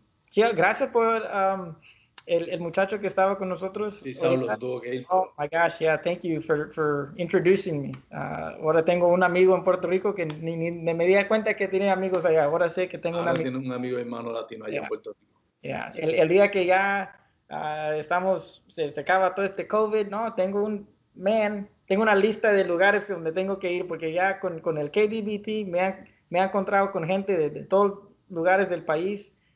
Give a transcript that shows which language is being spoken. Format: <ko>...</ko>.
<es>Yeah, gracias por el muchacho que estaba con nosotros. Sí, Saulo, tú, ok.</es> <en>Oh, my gosh, yeah, thank you for introducing me.</en> <es>Ahora tengo un amigo en Puerto Rico que ni me di cuenta que tiene amigos allá. Ahora sé que tengo un amigo. Tiene un amigo hermano latino allá en Puerto Rico. Yeah, el día que ya se acaba todo este COVID, no, tengo una lista de lugares donde tengo que ir, porque ya con el KBBT me he encontrado con gente de todos lugares del país.</es>